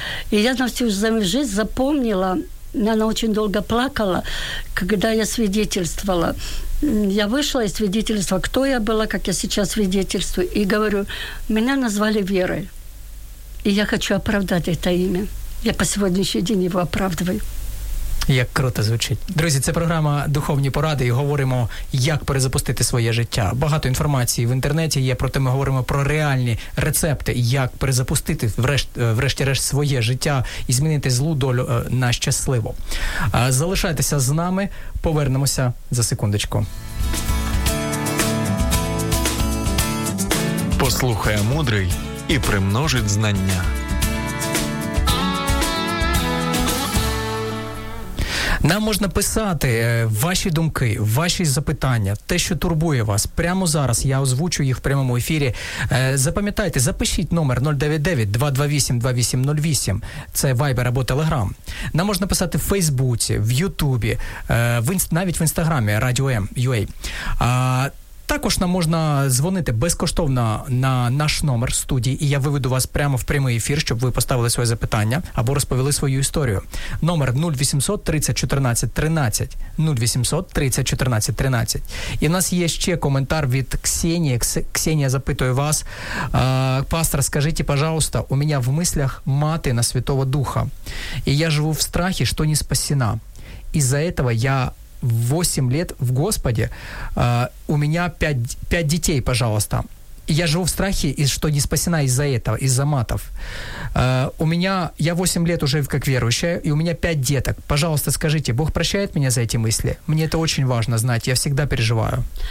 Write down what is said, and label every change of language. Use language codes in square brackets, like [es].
[ru] И я на всю жизнь запомнила. Она очень долго плакала, когда я свидетельствовала. Я вышла из свидетельства, кто я была, как я сейчас свидетельствую. И говорю, меня назвали Верой. И я хочу оправдать это имя. Я по сегодняшний день его оправдываю. [uk] Як круто звучить. Друзі, це програма «Духовні поради» і говоримо, як перезапустити своє життя. Багато інформації в інтернеті є, проте ми говоримо про реальні рецепти, як перезапустити врешті-решт своє життя і змінити злу долю на щасливу. Залишайтеся з нами, повернемося за секундочку. послухає мудрий і примножить знання. Нам можна писати ваші думки, ваші запитання, те, що турбує вас. Прямо зараз я озвучу їх в прямому ефірі. Запам'ятайте, запишіть номер 099-228-2808. Це Viber або Telegram. Нам можна писати в Фейсбуці, в Ютубі, навіть в Інстаграмі Radio M.ua. Також нам можна дзвонити безкоштовно на наш номер студії, і я виведу вас прямо в прямий ефір, щоб ви поставили своє запитання або розповіли свою історію. Номер 0800 30 14 13. 0800 30 14 13. І в нас є ще коментар від Ксенії. Ксенія запитує вас. Пастор, скажіть, пожалуйста, у мене в мислях мати на Святого Духа. І я живу в страхі, що не спасена. [ru] Із-за этого я 8 лет в Господе, у меня 5 детей, пожалуйста. Я живу в страхе, что не спасена из-за этого, из-за матов. У меня, я 8 лет уже как верующая, и у меня 5 деток. Пожалуйста, скажите, Бог прощает меня за эти мысли? Мне это очень важно знать, я всегда переживаю.